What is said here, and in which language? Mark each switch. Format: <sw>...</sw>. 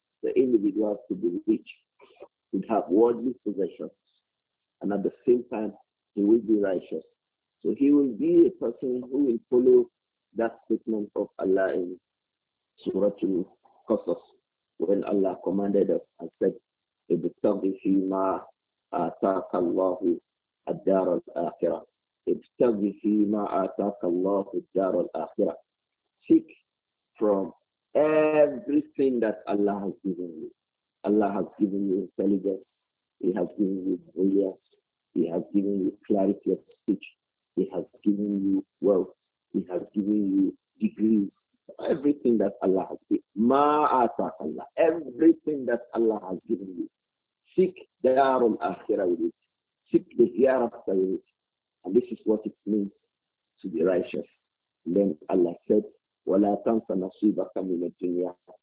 <en>The individual could be rich, could have worldly possessions, and at the same time, he will be righteous. So he will be a person who will follow that statement of Allah in Surah Al-Qasas, when Allah commanded us and said,</en> <ar>"Ibtaghi fi ma ataka Allahu." الدار الآخرة ابتغ فيما آتاك الله الدار الآخرة</ar> <en>seek from everything that Allah has given you. Allah has given you intelligence. He has given you brilliance. He has given you clarity of speech. He has given you wealth. He has given you degrees. Everything that Allah has given.</en> <ar>Ma ataka Allah.</ar> <en>Everything that Allah has given you. Seek darul akhirah with it. Seek the hereafter with it. And this is what it means to be righteous. And then Allah said,</en> <ar>وَلَا تَنْسَ نَصِيبَكَ مِنَ الدُّنْيَا.</ar>